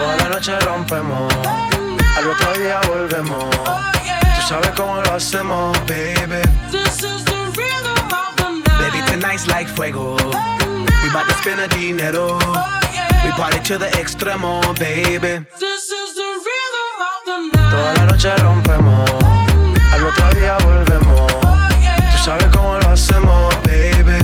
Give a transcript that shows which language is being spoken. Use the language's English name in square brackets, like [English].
[Spanish] Noche rompemos, al otro día volvemos. Tú sabes cómo lo hacemos, baby. [English] This is the rhythm of the night. Baby, tonight's like fuego. Tonight. We bout to spend a dinero. Oh, yeah. We party to the extremo, baby. This is the rhythm of the night. [Spanish] Toda la noche rompemos, [English] tonight. [Spanish] Al otro día volvemos. [English] Oh, yeah. [Spanish] Tú sabes cómo lo hacemos, baby.